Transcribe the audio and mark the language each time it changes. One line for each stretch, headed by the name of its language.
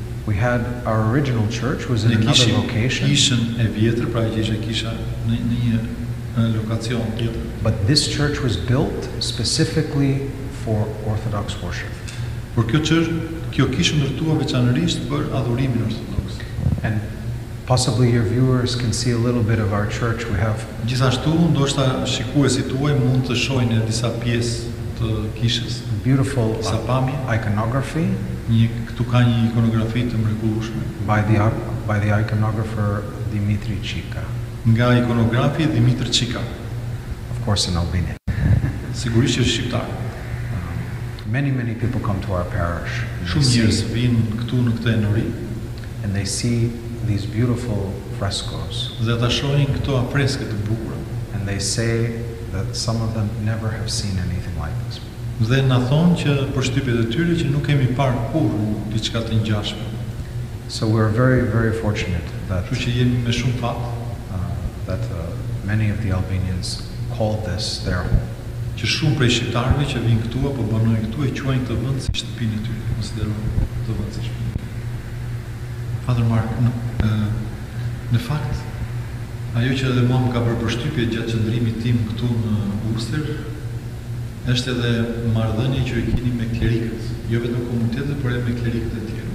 English: We had our original church was in another location.
Albanian: Kishën e vjetër, pra që ishte kisha në një lokacion tjetër.
English: But this church was built specifically for Orthodox worship.
Albanian: Por kjo kishë ndërtua veçanërisht për adhurimin ortodox.
English: And possibly your viewers can see a little bit of our church we have.
Albanian: Gjithashtu ndoshta shikuesit tuaj mund të shohin disa pjesë të kishës.
English: Beautiful iconography.
Albanian: Një këtu ka një ikonografi të mrekullueshme.
English: By the iconographer Dimitri Çika.
Albanian: Nga ikonografi Dimitri Çika.
English: Of course in Albanian.
Albanian: Sigurisht është shqiptar.
English: Many, many people come to our parish.
Albanian: Shumë njerëz vijnë këtu në këtë enori.
English: And they see these beautiful frescoes.
Albanian: Dhe ata shohin këto freskë të bukura.
English: And they say that some of them never have seen anything like this.
Albanian: Dhe na thonë që përshtypjet e tyre që nuk kemi parë kurrë diçka të ngjashme.
English: So we're very, very fortunate that.
Albanian: Kështu që jemi me shumë fat.
English: That many of the Albanians call this their home.
Albanian: Që shumë prej shqiptarëve që vijnë këtu apo banojnë këtu e quajnë këtë vend si shtëpinë e tyre, konsiderojnë këtë vend si shtëpinë. Father Mark, në fakt, ajo që edhe mua më ka bërë përshtypje gjatë qëndrimit tim këtu në Worcester, është edhe marrëdhënia që e keni me klerikët, jo vetëm komunitetet, por edhe me klerikët e tjerë.